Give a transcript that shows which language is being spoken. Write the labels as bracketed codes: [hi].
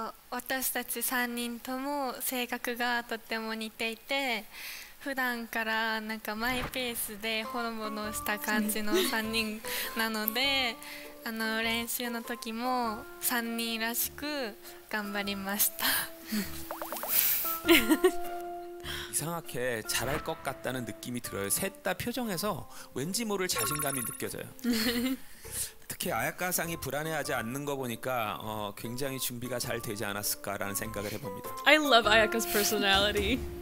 [ja] 私たち 3人とも [ko] 성격이 [ja] とても 似ていて 普段から なんか マイペースで ほのぼのした 感じの 3人なので あの練習の時も 3人らしく 頑張りました。 [ko] 이상하게 잘할 것 같다는 느낌이 들어요. 셋 다 표정에서 왠지 모를 자신감이 느껴져요. 특히 아야카상이 불안해하지 않는 거 보니까 굉장히 준비가 잘 되지 않았을까라는 생각을 해봅니다. [en] I love Ayaka's personality.